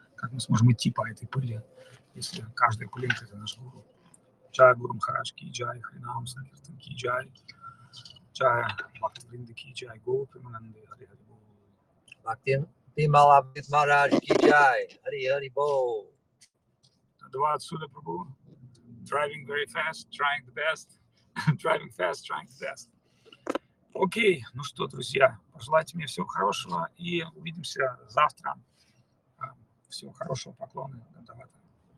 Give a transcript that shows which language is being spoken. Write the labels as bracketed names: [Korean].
[Russian] Как мы сможем идти по этой пыли, если каждая пылинка — это наш гуру? Джай Гуру Махарадж Ки Джай, Хринам Санкиртан Ки Джай, Джай Бхакти Вринда Ки Джай, Гуру Примананда Хари Хари Бол. Бхакти Бимала Махарадж Ки Джай, Хари Хари Бол. Два отсюда, Прабху. [English] Driving very fast, trying the best. Driving fast, trying the best. [Russian] Окей, ну что, друзья, пожелайте мне всего хорошего и увидимся завтра. Всего хорошего, поклоны, давай.